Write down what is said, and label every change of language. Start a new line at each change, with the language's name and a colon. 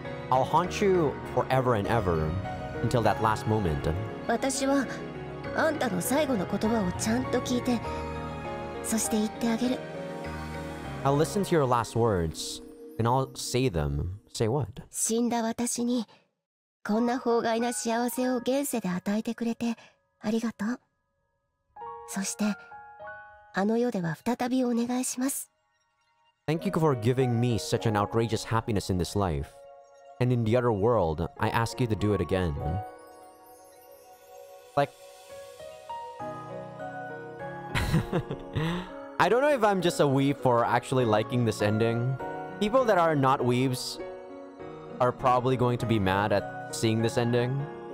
English: I'll haunt you forever and ever until that last moment.
Japanese: 私はあんたの最後の言葉をちゃんと聞いて、そして言ってあげる。
English: I'll listen to your last words and I'll say them. Say what?
Japanese: 死んだ私にこんな法外な幸せを現世で与えてくれてありがとう。そしてあの世では再びお願いします。
English: Thank you for giving me such an outrageous happiness in this life. And in the other world, I ask you to do it again. Like... I don't know if I'm just a weeb for actually liking this ending. People that are not weebs are probably going to be mad at seeing this ending.